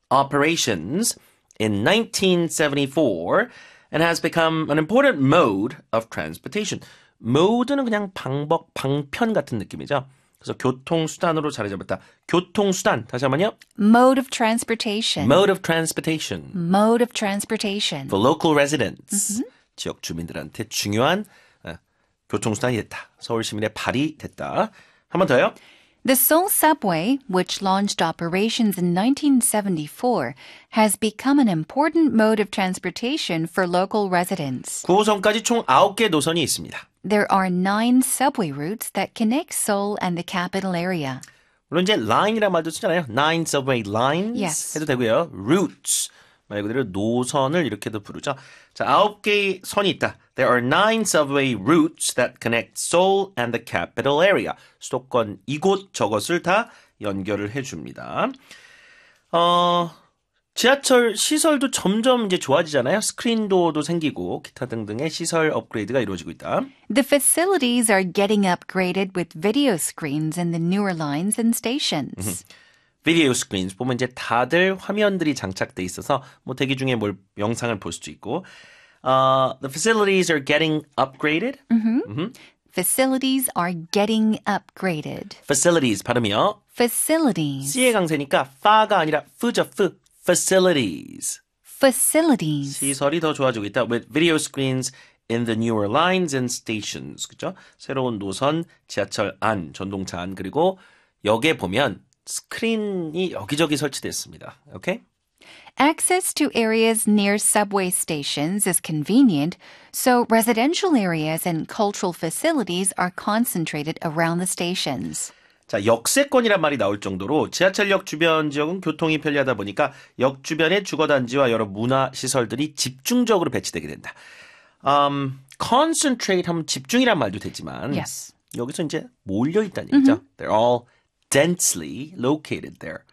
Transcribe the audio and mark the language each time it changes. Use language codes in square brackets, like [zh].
[en] operations in 1974 and has become an important mode of transportation. [ko] Mode는 그냥 방법, 방편 같은 느낌이죠. 그래서 교통수단으로 자리 잡았다. 교통수단, 다시 한 번요. [en] Mode of transportation. Mode of transportation. Mode of transportation. For local residents. Mm-hmm. [ko] 지역 주민들한테 중요한 교통수단이 됐다. 서울 시민의 발이 됐다. 한 번 더요. [en] The Seoul subway, which launched operations in 1974, has become an important mode of transportation for local residents. [ko] 9호선까지 총 9개 노선이 있습니다. [en] There are 9 subway routes that connect Seoul and the capital area. [ko] 물론 이제 line이라는 말도 쓰잖아요. [en] 9 subway lines yes. [ko] 해도 되고요. routes 말 그대로 노선을 이렇게도 부르죠. 자, 9개의 선이 있다. [en] There are 9 subway routes that connect Seoul and the capital area. [ko] 수도권 이곳 저곳을 다 연결을 해줍니다. 지하철 시설도 점점 이제 좋아지잖아요. 스크린 도어도 생기고 기타 등등의 시설 업그레이드가 이루어지고 있다. [en] The facilities are getting upgraded with video screens in the newer lines and stations. [ko] Video screens 보면 이제 다들 화면들이 장착돼 있어서 뭐 대기 중에 뭘 영상을 볼 수도 있고. [en] The facilities are getting upgraded. Facilities are getting upgraded. [ko] Facilities 발음이요. [en] Facilities. [ko] C의 강세니까 fa가 아니라 fu죠 fu. Facilities. [en] Facilities. [ko] 시설이 더 좋아지고 있다. [en] With video screens in the newer lines and stations. [ko] 그죠? 새로운 노선, 지하철 안, 전동차 안, 그리고 역에 보면 스크린이 여기저기 설치됐습니다. [en] Okay? Access to areas near subway stations is convenient, so residential areas and cultural facilities are concentrated around the stations. [ko] 자, 역세권이란 말이 나올 정도로 지하철역 주변 지역은 교통이 편리하다 보니까 역 주변의 주거단지와 여러 문화시설들이 집중적으로 배치되게 된다. Concentrate 하면 집중이란 말도 되지만 yes. 여기서 이제 몰려있다는 얘기죠. [en] Mm-hmm. They're all densely located there.